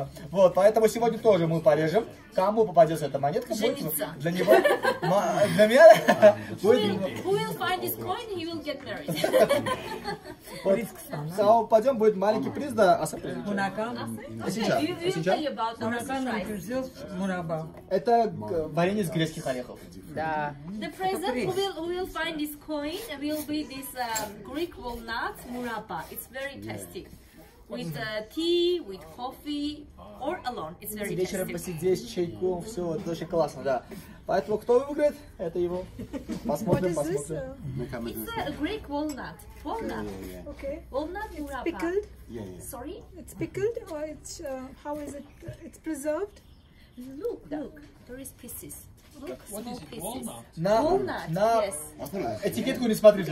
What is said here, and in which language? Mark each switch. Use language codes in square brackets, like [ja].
[ru] Вот, поэтому сегодня тоже мы порежем. Кому попадется эта монетка, будет для него. Для меня будет. [en] Who will find this coin, he will get married. [ru] Кому попадем, будет маленький приз, да, а сопризы. Мунакан. А сейчас? Мунакан, мураба. Это варенье из грецких орехов. Да. [en] The present who will find this coin will be this Greek walnut muraba. It's very tasty. With tea, with coffee, or alone. It's very tasty. [ru] Вечером посидеть с чайком, все, это очень классно, да. Поэтому кто выиграет, это его. Посмотрим, посмотрим. [en] It's a Greek walnut. Walnut. Okay. Walnut muraba. It's pickled? Yeah. Sorry? It's pickled or it's, how is it, it's preserved? Look, there is pieces. What is it? Walnut? [ru] На этикетку не смотрите.